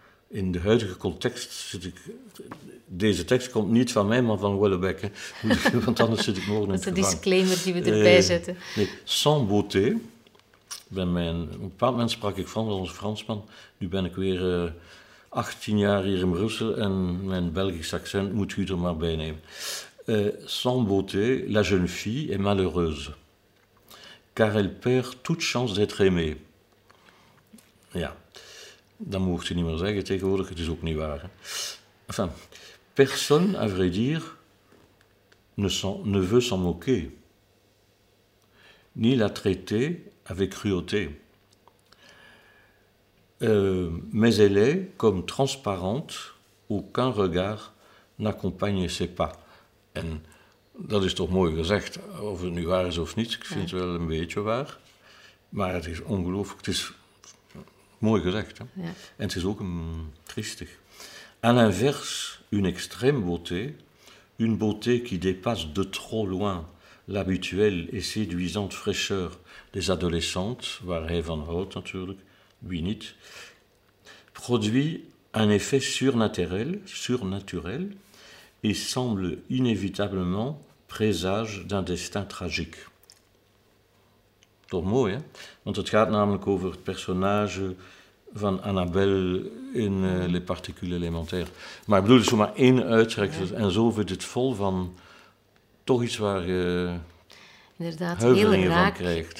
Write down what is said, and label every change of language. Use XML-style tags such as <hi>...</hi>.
<nl>In de huidige context zit ik. Deze tekst komt niet van mij, maar van Houellebecq. Want anders zit ik morgen in het gevangen. Dat is een disclaimer die we erbij zetten.</nl> <fr>Nee, sans beauté.</fr> <nl>Op een bepaald moment sprak ik Frans als een Fransman. Nu ben ik weer 18 jaar hier in Brussel en mijn Belgisch accent moet u er maar bij nemen.</nl> <fr>Sans beauté, la jeune fille est malheureuse. Car elle perd toute chance d'être aimée.</fr> <nl>Ja, dat mocht u niet meer zeggen tegenwoordig, het is ook niet waar. Hè.</nl> <fr>Enfin, personne, à vrai dire, ne veut s'en moquer. Ni la traiter avec cruauté. Mais elle est comme transparente, aucun regard n'accompagne ses pas.</fr> <nl>En dat is toch mooi gezegd, of het nu waar is of niet, ik vind het wel een beetje waar. Maar het is ongelooflijk, het is mooi gezegd. Hè? Ja. En het is ook triestig.</nl> <fr>A l'inverse, une extrême beauté, une beauté qui dépasse de trop loin l'habituelle et séduisante fraîcheur des adolescentes,</fr> <nl>waar hij van houdt natuurlijk, lui niet,</nl> <fr>produit un effet surnaturel et semble inévitablement présage d'un destin tragique.</fr> <nl>Toch mooi, hè? Want het gaat namelijk over het personage van Annabelle in Les Particules Élémentaires. Maar ik bedoel, het is maar één uittrek en zo vindt het vol van toch iets waar je inderdaad, huiveringen heel raak van krijgt.</nl>